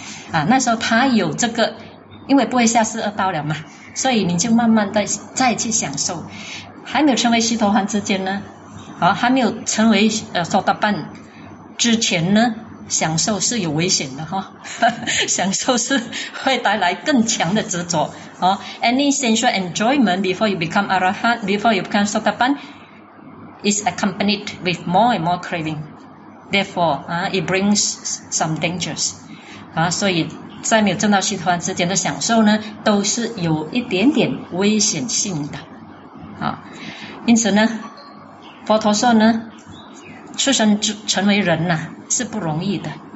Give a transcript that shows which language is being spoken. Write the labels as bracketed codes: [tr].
[zh] 啊，那时候他有这个，因为不会下十二道了嘛，所以你就慢慢的再去享受。还没有成为悉陀洹之间呢，好，还没有成为娑达半之前呢，享受是有危险的哈，享受是会带来更强的执着。哦 [en] ，any sensual enjoyment before you become arahant, before you become 娑达半 is accompanied with more and more craving. Therefore, it brings some dangers. [zh] 啊，所以在没有证到悉陀洹之间的享受呢，都是有一点点危险性的。啊，因此呢，佛陀说呢，出生成为人呐，是不容易的。